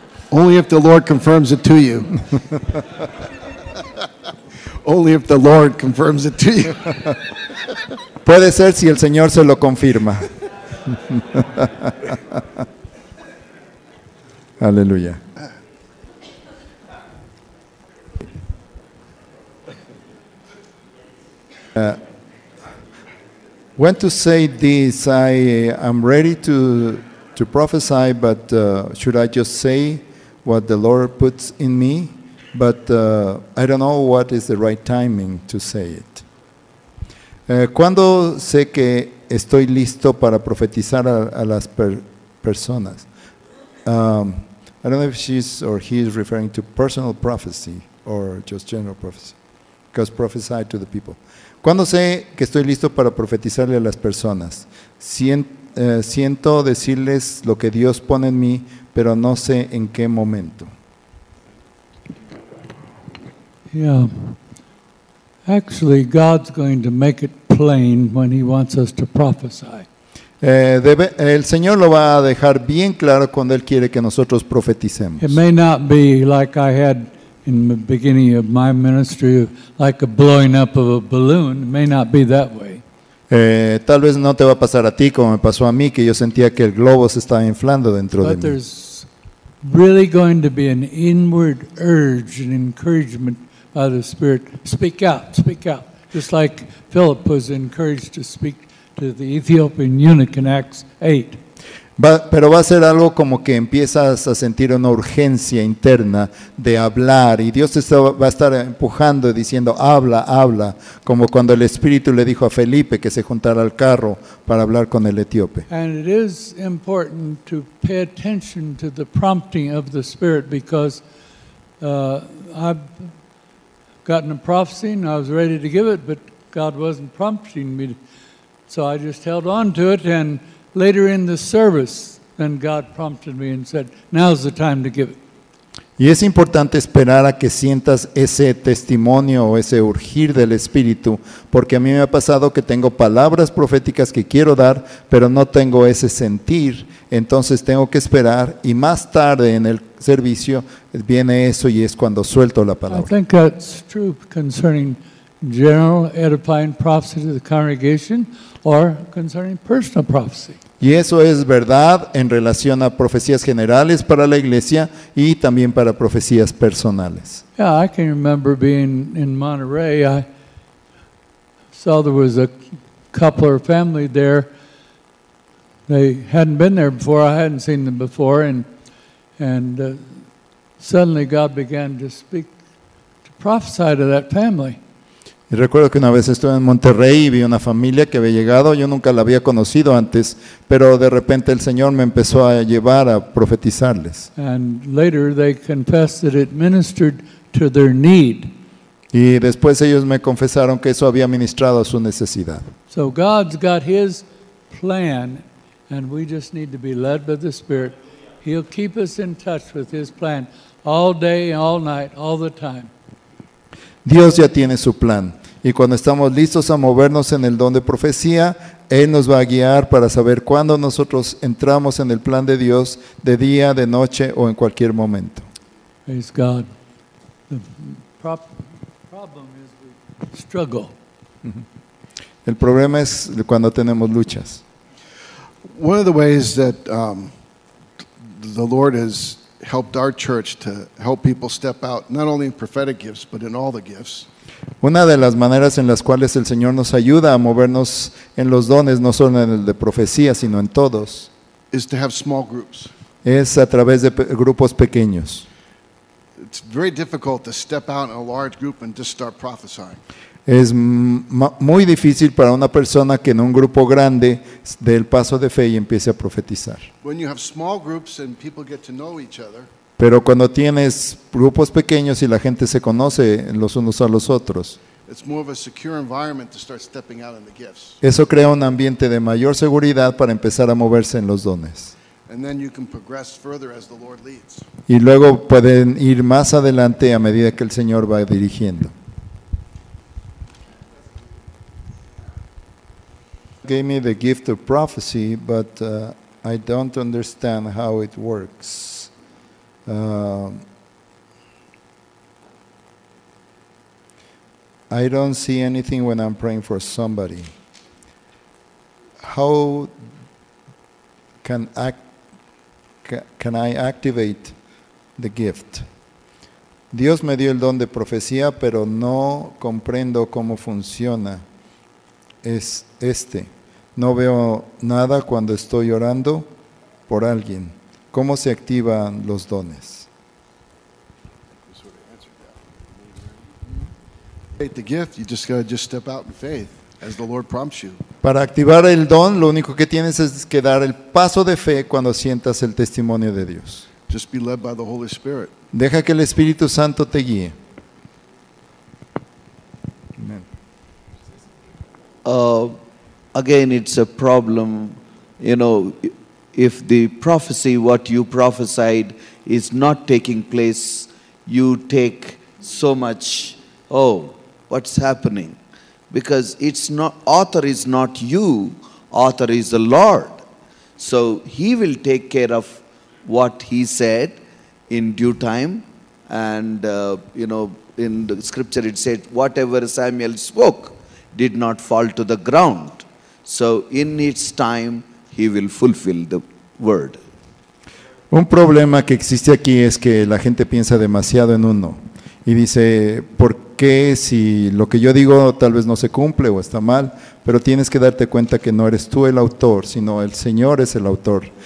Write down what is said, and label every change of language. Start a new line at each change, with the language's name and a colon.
English: Only if the Lord confirms it to you. Only if the Lord confirms it to you.
Spanish: Puede ser si el Señor se lo confirma. Aleluya.
English: When to say this, I am ready to prophesy, but should I just say what the Lord puts in me? But I don't know what is the right timing to say it.
Spanish: ¿Cuándo sé que estoy listo para profetizar a las personas? I don't know if she's or he is referring to personal prophecy or just general prophecy. Because prophesy to the people. ¿Cuándo sé que estoy listo para profetizarle a las personas? Siento decirles lo que Dios pone en mí, pero no sé en qué momento.
English: Yeah. Actually, God's going to make it plain when he wants us to prophesy.
Spanish: El Señor lo va a dejar bien claro cuando él quiere que nosotros profeticemos.
English: It may not be like I had in the beginning of my ministry, like a blowing up of a balloon. It may not be that way.
Spanish: Tal vez no te va a pasar a ti como me pasó a mí, que yo sentía que el globo se estaba inflando dentro
English: but
Spanish: de
English: there's
Spanish: mí.
English: Really going to be an inward urge and encouragement by the Spirit. Speak out, just like Philip was encouraged to speak to the Ethiopian eunuch in Acts 8.
Spanish: Pero va a ser algo como que empiezas a sentir una urgencia interna de hablar y Dios te va a estar empujando diciendo habla, habla, como cuando el Espíritu le dijo a Felipe que se juntara al carro para hablar con el etíope.
English: And it is important to pay attention to the prompting of the Spirit because I've gotten a prophecy and I was ready to give it, but God wasn't prompting me, so I just held on to it. And later in the service, then God prompted me and said, "Now's the time to give it."
Spanish: Y es importante esperar a que sientas ese testimonio o ese urgir del Espíritu, porque a mí me ha pasado que tengo palabras proféticas que quiero dar, pero no tengo ese sentir. Entonces tengo que esperar, y más tarde en el servicio viene eso y es cuando suelto la palabra.
English: I think that's true concerning general edifying prophecy to the congregation or concerning personal prophecy.
Spanish: Y eso es verdad en relación a profecías generales para la iglesia y también para profecías personales.
English: Yeah, I can remember being in Monterey. I saw there was a couple or family there. They hadn't been there before. I hadn't seen them before. And suddenly God began to speak, to prophesy to that family.
Spanish: Y recuerdo que una vez estuve en Monterrey y vi una familia que había llegado. Yo nunca la había conocido antes, pero de repente el Señor me empezó a llevar a profetizarles.
English: And later they confessed that it ministered to their need.
Spanish: Y después ellos me confesaron que eso había ministrado a su necesidad.
English: So God's got His plan, and we just need to be led by the Spirit. He'll keep us in touch with His plan all day, all night, all the time.
Spanish: Dios ya tiene su plan, y cuando estamos listos a movernos en el don de profecía, Él nos va a guiar para saber cuándo nosotros entramos en el plan de Dios, de día, de noche o en cualquier momento.
English: Praise God. The problem is we struggle.
Spanish: El problema es cuando tenemos luchas.
English: One of the ways that the Lord has helped our church to help people step out, not only in prophetic gifts, but in all the gifts.
Spanish: Una de las maneras en las cuales el Señor nos ayuda a movernos en los dones, no solo en el de profecía, sino en todos,
English: is to have small groups.
Spanish: Es a través de grupos pequeños.
English: It's very difficult to step out in a large group and just start prophesying.
Spanish: Es muy difícil para una persona que en un grupo grande dé el paso de fe y empiece a profetizar.
English: When you have small groups and people get to know each other,
Spanish: pero cuando tienes grupos pequeños y la gente se conoce los unos a los otros,
English: it's more of a secure environment to start stepping out in the gifts.
Spanish: Eso crea un ambiente de mayor seguridad para empezar a moverse en los dones.
English: And then you can progress further as the Lord leads.
Spanish: Y luego pueden ir más adelante a medida que el Señor va dirigiendo.
English: Gave me the gift of prophecy, but I don't understand how it works. I don't see anything when I'm praying for somebody. How can I activate the gift?
Spanish: Dios me dio el don de profecía, pero no comprendo cómo funciona. Es este. No veo nada cuando estoy orando por alguien. ¿Cómo se activan los dones?
English: The gift, you just gotta just step out in faith as the Lord prompts you.
Spanish: Para activar el don, lo único que tienes es que dar el paso de fe cuando sientas el testimonio de Dios.
English: Just be led by the Holy Spirit.
Spanish: Deja que el Espíritu Santo te guíe.
English: Amen. Again, it's a problem, you know, if the prophecy, what you prophesied, is not taking place, you take so much, oh, what's happening? Because it's not, author is not you, author is the Lord. So He will take care of what He said in due time. And, you know, in the scripture it said, whatever Samuel spoke did not fall to the ground. So in its time, He will fulfill the word.
Spanish: Un problema que existe aquí es que la gente piensa demasiado en uno y dice, qué si lo que yo digo tal vez no se cumple o está mal, pero tienes que darte cuenta que no eres tú el autor, sino el Señor es el autor.